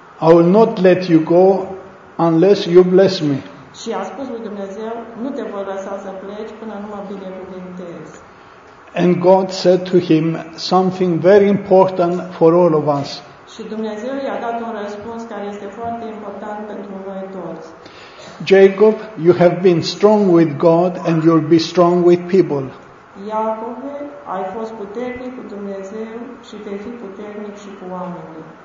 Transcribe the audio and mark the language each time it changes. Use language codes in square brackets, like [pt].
[en] I will not let you go unless you bless me. [ro] Și a spus lui Dumnezeu: nu te voi lăsa să pleci până nu mă binecuvintez. [en] And God said to him something very important for all of us. [ro] Și Dumnezeu i-a dat un răspuns care este foarte important pentru noi toți. [en] Jacob, you have been strong with God and you'll be strong with people. [ro] Iacove, ai fost puternic cu Dumnezeu și vei fi puternic și cu oamenii.